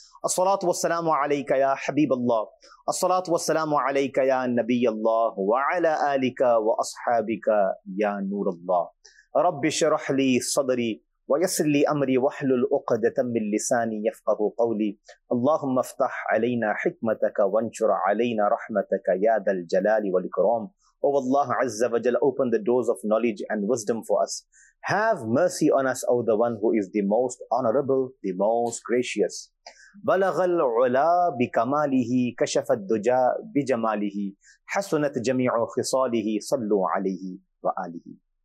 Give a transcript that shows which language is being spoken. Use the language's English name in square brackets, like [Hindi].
[Arabic] الصلاة والسلام عليك يا حبيب الله الصلاة والسلام عليك يا نبي الله وعلى آلك وأصحابك يا نور الله رب اشرح لي صدري ويسر لي أمري واحلل عقدة من لساني يفقه قولي اللهم افتح علينا حكمتك وانشر علينا رحمتك يا ذا الجلال والإكرام O Allah Azza wa Jal, open the doors of knowledge and wisdom for us. [English] Have mercy on us, O the one who is the most honorable, the most gracious. [Arabic] بلغ العلا بكماله كشف الدجا بجماله حسنت جميع خصاله صلوا عليه وآله.